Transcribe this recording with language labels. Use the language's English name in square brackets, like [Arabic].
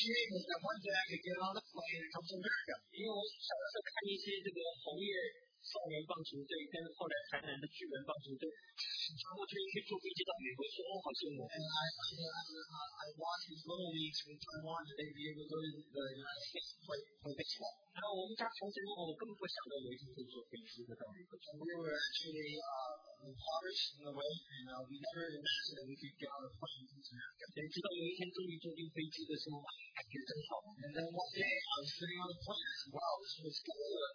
[English] That one day I could get on the plane and come to America. [Chinese] 因为我小的时候看一些这个红叶少年棒球队跟后来台南的巨人棒球队，全部就应该坐飞机到美国说，好羡慕。 [English] And I watch his little league from Taiwan to be able to learn the play baseball. [Chinese] 然后我们家从前我根本不想到有一天可以坐飞机到美国。 [English] We were actually impoverished in a way, and we never imagined that we could get on a plane to America. [Chinese] 直到有一天终于坐进飞机的时候，感觉真好。 [English] And then one day I was sitting on a plane, and said, wow, this was cool.